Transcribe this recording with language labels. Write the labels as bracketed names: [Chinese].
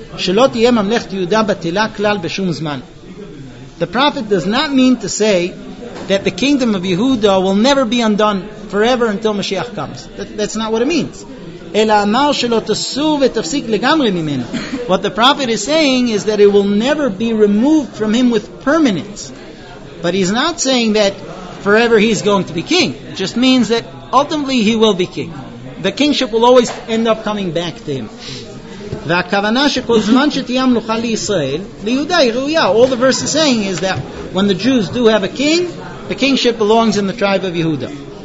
[Hebrew] שלא תהיה ממלכת יהודה בטלה כלל בשום זמן. [English] The prophet does not mean to say that the kingdom of Yehuda will never be undone forever until Mashiach comes. That's not what it means. [Hebrew] אלא אמר שלא תסוב ותפסיק לגמרי ממנו. [English] What the prophet is saying is that it will never be removed from him with permanence. But he's not saying that forever he's going to be king. It just means that ultimately he will be king. The kingship will always end up coming back to him. [Hebrew] והכוונה שכל זמן שתהיה מלוכה לישראל, ליהודה היא ראויה. [English] All the verse is saying is that when the Jews do have a king, the kingship belongs in the tribe of Yehuda.